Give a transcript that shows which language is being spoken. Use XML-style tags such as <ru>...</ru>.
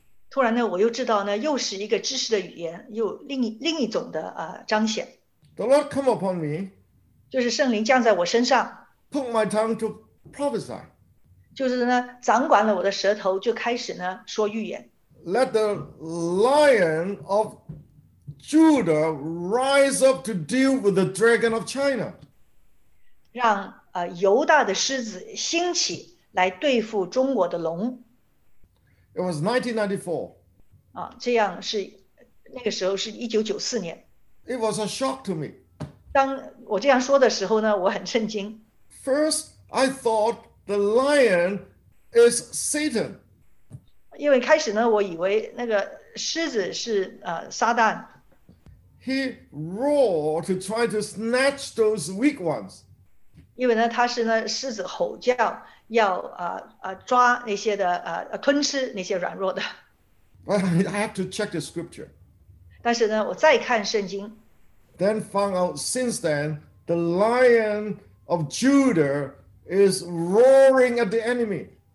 <zh>突然呢，我又知道呢，又是一个知识的语言，又另一种的彰显。</zh> <en>The Lord come upon me.</en> <zh>就是圣灵降在我身上。</zh> <en>Put my tongue to prophesy.</en> <zh>就是呢，掌管了我的舌头，就开始呢说预言。</zh> <en>Let the lion of Judah rise up to deal with the dragon of China.</en> <zh>让犹大的狮子兴起来对付中国的龙。</zh> <en>It was 1994.</en> <zh>这样是那个时候是1994年。</zh> <en>It was a shock to me.</en> <zh>当我这样说的时候呢，我很震惊。</zh> <en>First, I thought the lion is Satan.</en> <zh>因为开始呢，我以为那个狮子是撒旦。</zh> <en>He roared to try to snatch those weak ones.</en> <zh>因为呢，他是呢狮子吼叫，要抓那些的吞吃那些软弱的。</zh> <en>I have to check the scripture.</en> <zh>但是呢，我再看圣经。</zh> <en>Then found out since then, the lion of Judah is roaring at the enemy.</en>